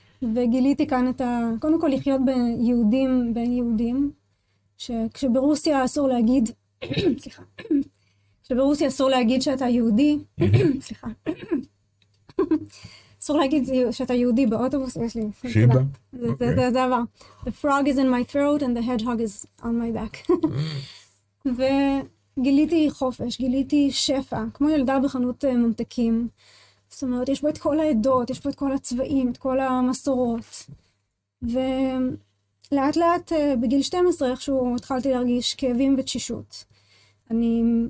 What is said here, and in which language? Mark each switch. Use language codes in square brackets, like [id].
[he] וגיליתי כאן את ה... קודם כל לחיות ביהודים, בין יהודים, שכשברוסיה אסור להגיד... סליחה. כשברוסיה אסור להגיד שאתה יהודי... סליחה. אסור להגיד שאתה יהודי באוטובוס, יש לי... שיבה? זה דבר. [en] The frog is in my throat and the hedgehog is on my back. [he] וגיליתי חופש, גיליתי שפע, כמו ילדה בחנות ממתקים. זאת אומרת, יש פה את כל העדות, יש פה את כל הצבעים, את כל המסורות. ולאט לאט, בגיל 12, איכשהו התחלתי להרגיש כאבים ותשישות. אני...